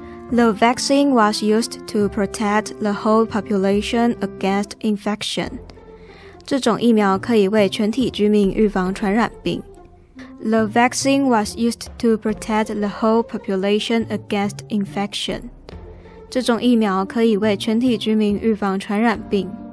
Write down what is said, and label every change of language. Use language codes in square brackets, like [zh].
[en] The vaccine was used to protect the whole population against infection. [zh] 这种疫苗可以为全体居民预防传染病。 [en] The vaccine was used to protect the whole population against infection. [zh] 这种疫苗可以为全体居民预防传染病。